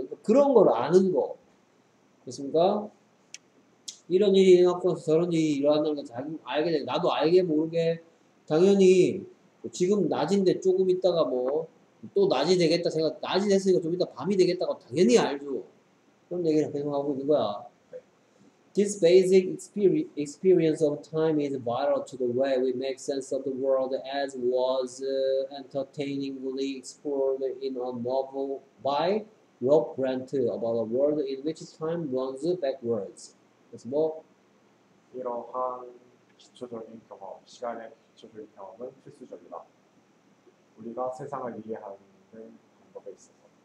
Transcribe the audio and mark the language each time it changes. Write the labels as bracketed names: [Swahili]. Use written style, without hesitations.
[Korean] 그러니까 그런 걸 아는 거. 됐습니까? 이런 일이 일어났고 저런 일이 일어났는 걸 잘 알게 돼. 나도 알게 모르게 당연히 지금 낮인데 조금 있다가 뭐 또 낮이 되겠다 생각, 낮이 됐으니까 좀 이따 밤이 되겠다고 당연히 알죠. 그런 얘기를 계속 하고 있는 거야. [English] This basic experience of time is vital to the way we make sense of the world as was entertainingly explored in a novel by Rob Grant about a world in which time runs backwards. [Korean] 그래서 뭐? 이러한 기초적인 경험, 시간의 기초적인 경험은 필수적이다. 우리가 세상을 이해하는 방법에 있어서.